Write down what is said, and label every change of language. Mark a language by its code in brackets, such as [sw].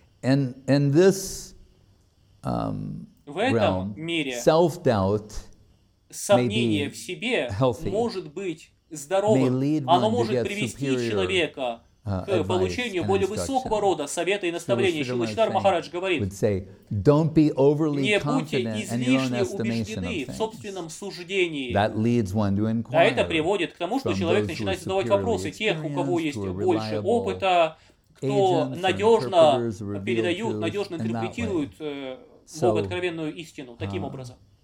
[en] And this [ru] в этом мире [en] self-doubt, [ru] сомнение в себе может быть здоровым. Оно может привести человека к получению более высокого рода совета и наставления. Шрила Чидар Махарадж говорит, [en] don't be overly confident in your own estimation. [ru] А это приводит к тому, что человек начинает задавать вопросы тех, у кого есть больше опыта, кто надежно передают, надежно интерпретируют Бога откровенную истину таким образом.